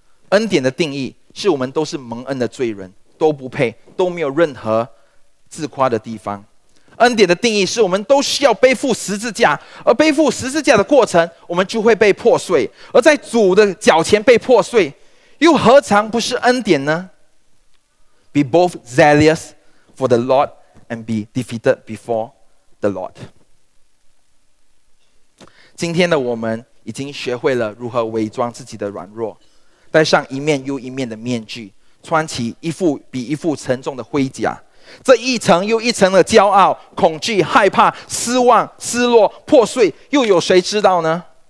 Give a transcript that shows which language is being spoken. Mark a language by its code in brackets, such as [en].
[zh] 恩典的定义是我们都是蒙恩的罪人，都不配，都没有任何自夸的地方。恩典的定义是我们都需要背负十字架，而背负十字架的过程，我们就会被破碎，而在主的脚前被破碎，又何尝不是恩典呢？ [en] Be both zealous for the Lord and be defeated before the Lord。 [zh] 今天的我们已经学会了如何伪装自己的软弱，戴上一面又一面的面具，穿起一副比一副沉重的盔甲，这一层又一层的骄傲、恐惧、害怕、失望、失落、破碎，又有谁知道呢？